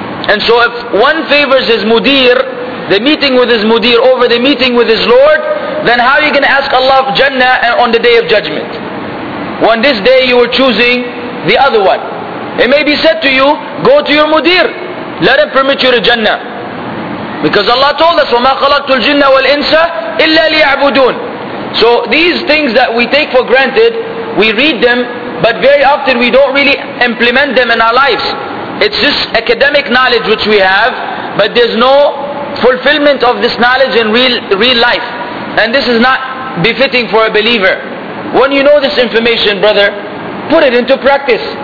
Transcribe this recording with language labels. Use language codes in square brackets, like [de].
[en] And so if one favors his mudir, the meeting with his mudir over the meeting with his Lord, then how are you going to ask Allah of Jannah on the Day of Judgment? When this day you were choosing the other one. It may be said to you, go to your mudir, let him permit you to Jannah. Because Allah told us, [ar] وَمَا خَلَقْتُ الْجِنَّ وَالْإِنسَ إِلَّا لِيَعْبُدُونَ. [en] So these things that we take for granted, we read them, but very often we don't really implement them in our lives. It's just academic knowledge which we have, but there's no fulfillment of this knowledge in real life. And this is not befitting for a believer. When you know this information, brother, put it into practice.